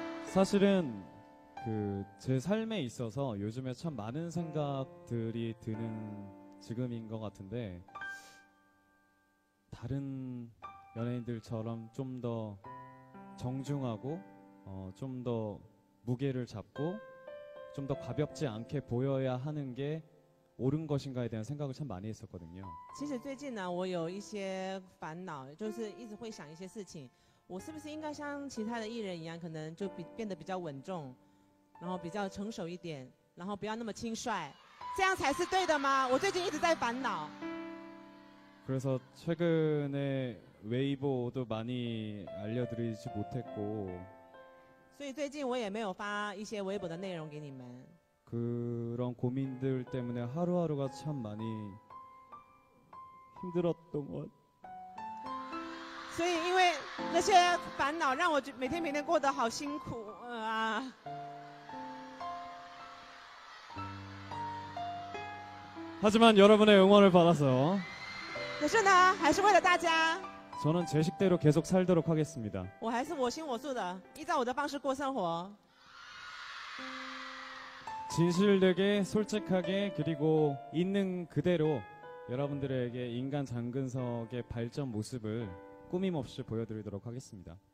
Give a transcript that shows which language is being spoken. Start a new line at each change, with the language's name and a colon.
Korean: 사실은그제삶에있어서요즘에참많은생각들이드는지금인것같은데다른연예인들처럼좀더정중하고좀더무게를잡고좀더가볍지않게보여야하는게옳은것인가에대한생각을참많이했었거든요
Chinese: 其实最近呢我有一些烦恼，就是一直会想一些事情，我是不是应该像其他的艺人一样，可能就变得比较稳重，然后比较成熟一点，然后不要那么轻率，这样才是对的吗？我最近一直在烦恼。
Korean: 그래서최근에웨이보도많이알려드리지못했고
Chinese: 所以最近我也没有发一些微博的内容给你们
Korean: 그런고민들때문에하루하루가참많이힘들었던것
Chinese: 所以因为那些烦恼让我每天每天过得好辛苦啊
Korean: 하지만여러분의응원을받아서
Chinese: 可是呢，还是为了大家。
Korean: 저는제식대로계속살도록하겠습니다。
Chinese: 我还是我行我素的，依照我的方式过生活。
Korean: 진실되게솔직하게그리고있는그대로여러분들에게인간장근석의발전모습을꾸밈없이보여드리도록하겠습니다。